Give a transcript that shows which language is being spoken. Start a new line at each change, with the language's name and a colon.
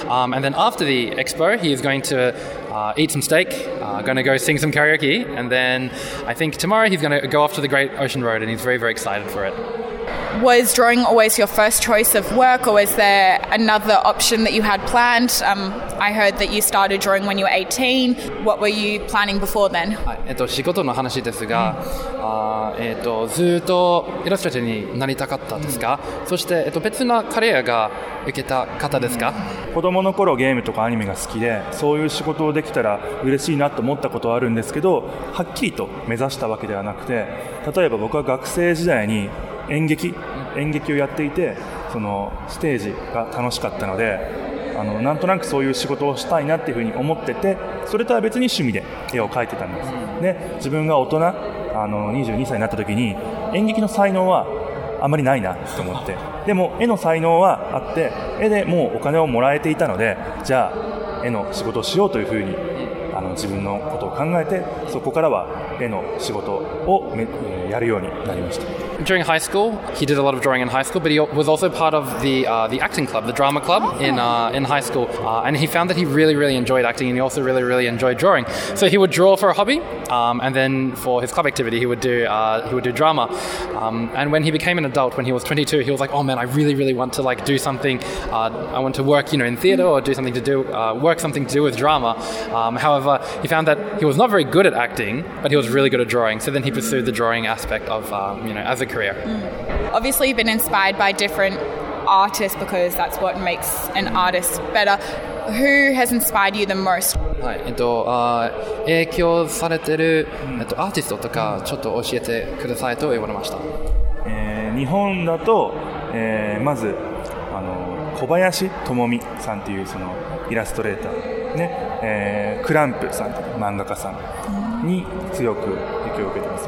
English: And then after the expo, he is going to eat some steak, going to go sing some karaoke, and then I think tomorrow he's going to go off to the Great Ocean Road, and he's very very excited for it. Was drawing always your first choice of work, or was there another option that you had planned? I heard that you started drawing when you were 18. What were you planning before then?
Japanese: 仕事の話ですが、ずっとイラストレーターになりたかったですか、mm. そして、別なカレアが受けた方ですか、 mm. 子供の頃ゲームとかアニメが好きでそういう仕事をできたら嬉しいなと思ったことはあるんですけどはっきりと目指したわけではなくて例えば僕は学生時代に演劇をやっていてそのステージが楽しかったのでなんとなくそういう仕事をしたいなっていうふうに思っててそれとは別に趣味で絵を描いてたんですで自分が大人22歳になった時に演劇の才能はあまりないなと思ってでも絵の才能はあって絵でもうお金をもらえていたのでじゃあ絵の仕事をしようというふうに自分のことを考えてそこからは絵の仕事をやるようになりました。
English: During high school, he did a lot of drawing in high school, but he was also part of the acting club, the drama club in high school. And he found that he really, really enjoyed acting and he also really, really enjoyed drawing. So he would draw for a hobby and then for his club activity, he would do drama. And when he became an adult, when he was 22, he was like, oh man, I really, really want to like do something. I want to work, you know, in theatre or do something to do, work something to do with drama. However, he found that he was not very good at acting, but he was really good at drawing. So then he pursued the drawing aspect of, you know, as a career. Obviously you've been inspired by different artists because that's what makes an artist better. Who has inspired you the most?
Japanese: はい、影響されてる、アーティストとかちょっと教えてくださいと言われました。日本だと、まず小林智美さんっていうそのイラストレーターね、クランプさんとか漫画家さんに強く影響を受けてます。